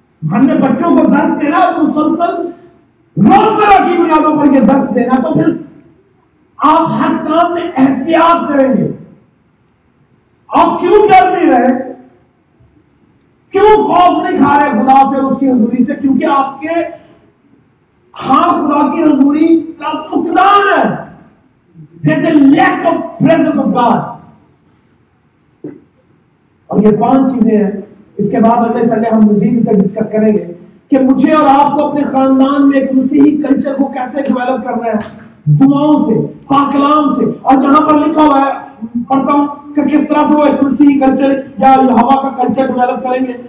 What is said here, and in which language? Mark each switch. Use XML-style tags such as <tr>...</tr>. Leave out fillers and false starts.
<hi>हमने बच्चों को दर्श देना मुसलसल रोजमर्रा की बुनियादों पर यह दर्श देना, तो फिर आप हर काम से एहतियात करेंगे। आप क्यों डर नहीं रहे, क्यों खौफ नहीं खा रहे खुदा से, उसकी हजूरी से? क्योंकि आपके हां खुदा की हजूरी का फुकदान है।</hi> <en>There's a lack of presence of God.</en> <hi>और ये पांच चीजें हैं। इसके बाद अगले संडे हम मजीद से डिस्कस करेंगे कि मुझे और आपको अपने खानदान में एक मसीही कल्चर को कैसे डेवलप करना है, दुआओं से, पाकलाम से। और यहां पर लिखा हुआ है, पढ़ता हूं, कि किस तरह से वो एक मसीही कल्चर या हवा का कल्चर डेवलप करेंगे।</hi>